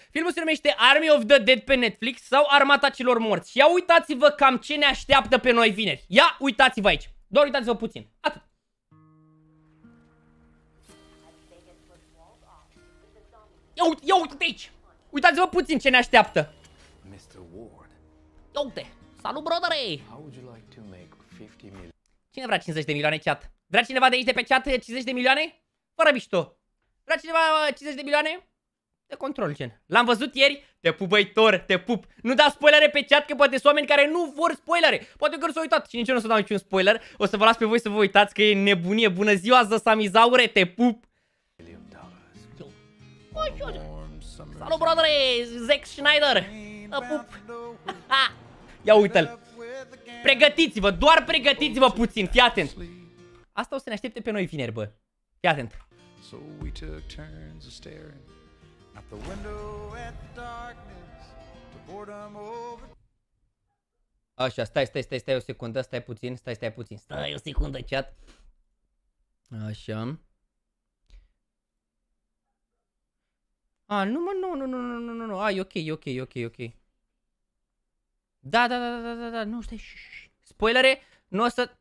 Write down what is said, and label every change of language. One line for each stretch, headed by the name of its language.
Romanian: Filmul se numește Army of the Dead pe Netflix sau Armata celor morți. Ia uitați-vă cam ce ne așteaptă pe noi vineri. Ia uitați-vă aici. Doar uitați-vă puțin. Atât. Ia uite aici. Uitați-vă puțin ce ne așteaptă. Mr. Ward. Uite. Salut, brodere.
English: How would you like to make 50 million?
Romanian: Cine vrea 50 de milioane, chat? Vrea cineva de aici de pe chat 50 de milioane? Fără bișto. Vrea cineva 50 de milioane? De control, gen. L-am văzut ieri. Te pup, băitor, te pup. Nu da spoilere pe chat, că poate sunt oameni care nu vor spoilere. Poate că nu s-au uitat și nici eu nu o să dau niciun spoiler. O să vă las pe voi să vă uitați, că e nebunie. Bună ziua, Zăsamizaure, te pup. Salut, brodere, Zack Snyder. Pup. Ia uite-l. Pregătiți-vă, doar pregătiți-vă puțin. Fii atent. Asta o să ne aștepte pe noi vineri, bă. Fii atent.
English: So we took turns staring at the window at the darkness to boredom over.
Romanian: Așa, stai o secundă, stai puțin. Stai o secundă, chat. Așa. Nu. Ai, ok. Da, nu, stai. Spoilere? Nu o să...